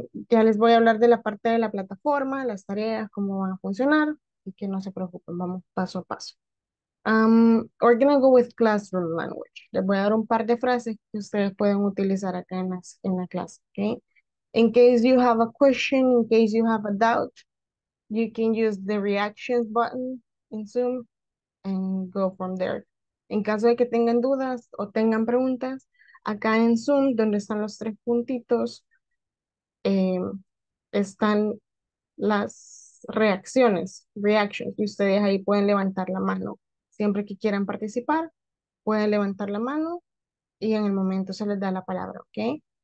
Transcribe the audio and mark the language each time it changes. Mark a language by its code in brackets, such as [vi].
[es] Ya les voy a hablar de la parte de la plataforma, las tareas, cómo van a funcionar, y que no se preocupen, vamos paso a paso. [en] We're gonna go with classroom language. [es] Les voy a dar un par de frases que ustedes pueden utilizar acá en la clase, ¿okay? [en] In case you have a question, in case you have a doubt, you can use the reactions button in Zoom and go from there. [es] En caso de que tengan dudas o tengan preguntas, acá en Zoom, donde están los tres puntitos, están las reactions, y ustedes ahí pueden levantar la mano. Siempre que quieran participar, pueden levantar la mano y en el momento se les da la palabra, ¿ok?